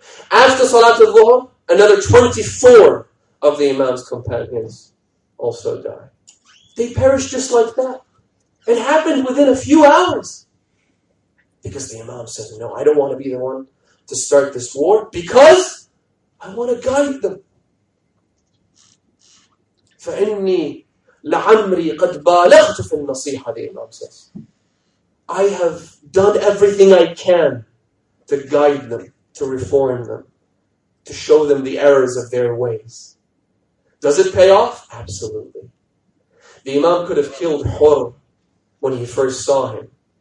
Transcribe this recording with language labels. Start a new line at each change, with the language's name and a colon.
English: After Salat al-Dhuhr, another 24 of the Imam's companions also die. They perish just like that. It happened within a few hours. Because the Imam says, no, I don't want to be the one to start this war because I want to guide them.
Arabic: فَإِنِّي لَعَمْرِي قَدْ بَالَغْتُ فِي النَّصِيحَةِ,
English: the Imam says. I have done everything I can to guide them, to reform them, to show them the errors of their ways. Does it pay off? Absolutely. The Imam could have killed Hur when he first saw him.